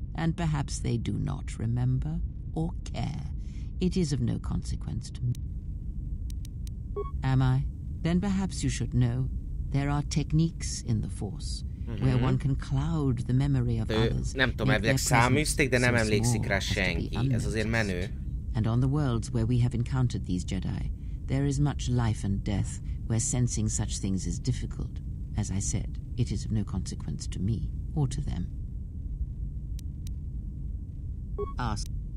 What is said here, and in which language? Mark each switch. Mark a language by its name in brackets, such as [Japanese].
[English] And perhaps they do not remember or care. It is of no consequence to me. Am I? Then perhaps you should know there are techniques in the Force where one can cloud the memory of others. [Hungarian] Nem tudom, elvileg száműzték, de nem emlékszik rá senki. Ez azért menő. [English] And on the worlds where we have encountered these Jedi, there is much life and death where sensing such things is difficult. As I said, it is of no consequence to me or to them. Ask.